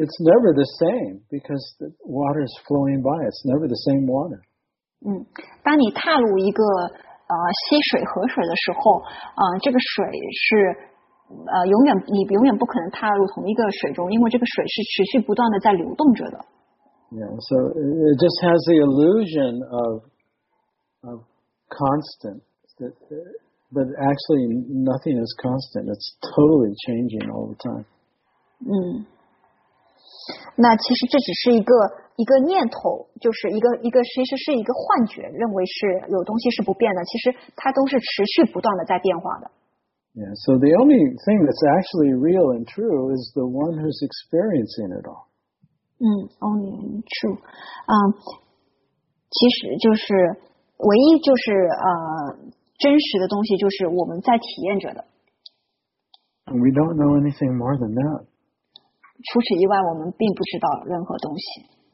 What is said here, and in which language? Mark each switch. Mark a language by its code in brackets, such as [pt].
[en] It's never the same because the water is flowing by. It's never the same water. [zh] 当你踏入一个溪水、河水的时候，这个水是。你永远不可能踏入同一个水中，因为这个水是持续不断的在流动着的。 [en] Yeah, so it just has the illusion of constant, but actually nothing is constant. It's totally changing all the time. [zh] 那其实这只是一个念头，就是一个其实是一个幻觉，认为是有东西是不变的，其实它都是持续不断的在变化的。 [en] Yeah, so the only thing that's actually real and true is the one who's experiencing it all. Only true. [zh] 其实就是唯一就是真实的东西就是我们在体验着的。 [en] We don't know anything more than that. [zh] 除此以外，我们并不知道任何东西。